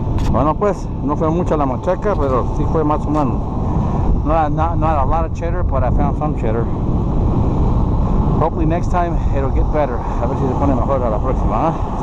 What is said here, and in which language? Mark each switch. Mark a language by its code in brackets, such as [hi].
[es] Bueno pues, no fue mucha la machaca, pero sí fue más o menos. [en] Not a lot of cheddar, but I found some cheddar. Hopefully next time it'll get better. [es] A ver si se pone mejor a la próxima, ¿eh?